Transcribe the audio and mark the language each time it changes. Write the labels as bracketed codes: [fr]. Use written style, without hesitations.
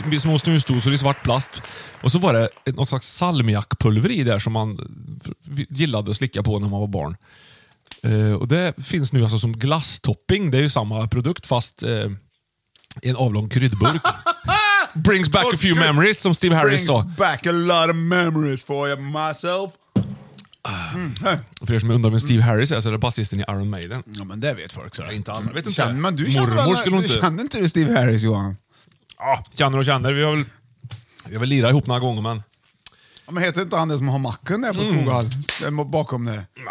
[sv] Små snusdosor i svart plast. Och så var det något slags salmiakpulver i där som man gillade att slicka på när man var barn. Och det finns nu alltså som glasstopping. Det är ju samma produkt fast i en avlång kryddburk. [en] Brings back a few memories, [sv] som Steve Harris sa. [en] Brings back a lot of memories for you, myself. Mm. [sv] För er som undrar med Steve Harris är, så är det bassisten i Iron Maiden. Ja, men det vet folk så. Ja, inte alla. Känner man, du känner väl, du känner inte Steve Harris, Johan? Ja, känner och känner. Vi har väl lirat ihop några gånger, men... Ja, men heter inte han det som har macken där på Skogal? Mm. Bakom det?